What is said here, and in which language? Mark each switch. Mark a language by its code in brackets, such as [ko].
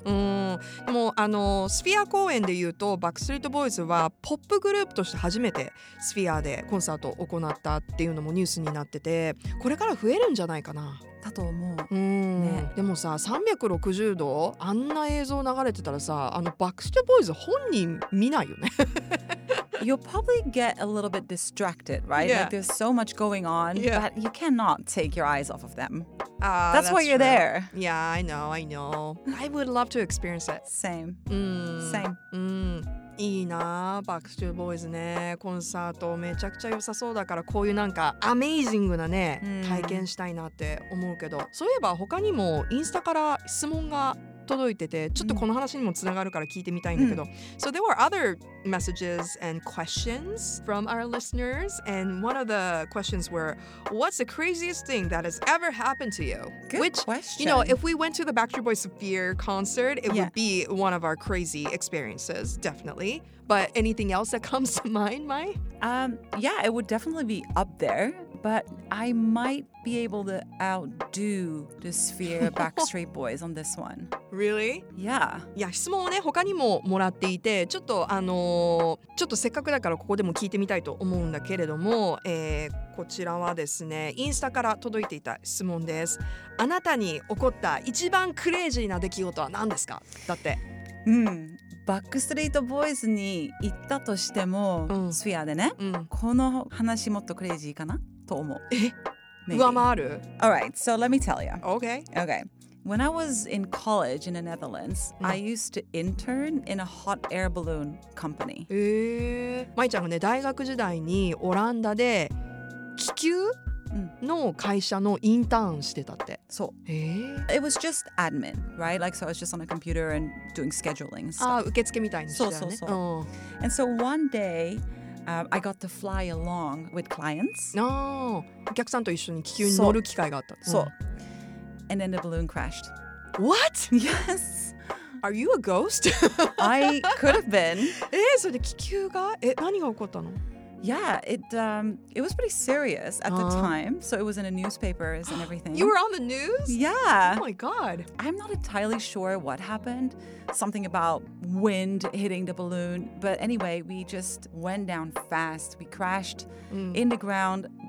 [ja] もうスフィア公演でいうとバックストリートボーイズはポップグループとして初めてスフィアでコンサートを行ったっていうのもニュースになってて、これから増えるんじゃないかなだと思う。でもさ、360度あんな映像流れてたらさ、バックストリートボーイズ本人見ないよね。 [en] You'll probably get a little bit distracted, right? Like there's so much going on, but you cannot take your eyes off of them. That's why you're there. Yeah, I know, I know. I would love to experience it. Same. Same. [ja] いいな、バックストゥーボーイズね。コンサートめちゃくちゃ良さそうだから、こういうなんかアメージングなね、体験したいなって思うけど。そういえば他にもインスタから質問が届いてて、ちょっとこの話にもつながるから聞いてみたいんだけど。 [en] So there were other messages and questions from our listeners, and one of the questions were, "What's the craziest thing that has ever happened to you?" Good Which, question. You know, if we went to the Backstreet Boys Sphere concert, it would be one of our crazy experiences, definitely. But anything else that comes to mind, Mai? Yeah, it would definitely be up there. But I might be able to outdo the Sphere Backstreet Boys on this one. Really? Yeah. [ja] いや、質問をね、他にももらっていて、ちょっとちょっとせっかくだからここでも聞いてみたいと思うんだけれども、こちらはですね、インスタから届いていた質問です。あなたに起こった一番クレイジーな出来事は何ですか？だって。うん。バックストリートボーイズに行ったとしても、うん、スフィアでね、うん、この話もっとクレイジーかなと思う。え？Maybe. 上回る？ [en] All right, so let me tell you. Okay. Okay. When I was in college in the Netherlands,、うん、I used to intern in a hot air balloon company. [ja] まいちゃんがね、大学時代にオランダで気球の会社のインターンしてたって。そう。 [en] It was just admin, right? Like, so I was just on a computer and doing scheduling and stuff. [ja] あ、受付みたいにしてたね。そうそうそう。 [en] うん、and so one day,I got to fly along with clients. [ja] お客さんと一緒に気球に乗る機会があった。 [en] そう。And then the balloon crashed. What? Yes. Are you a ghost? I could have been. [ja] それで気球が、何が起こったの? [en] Yeah, it was pretty serious at the time. So it was in the newspapers and everything. You were on the news? Yeah. Oh my god. I'm not entirely sure what happened. Something about wind hitting the balloon. But anyway, we just went down fast. We crashed in the ground.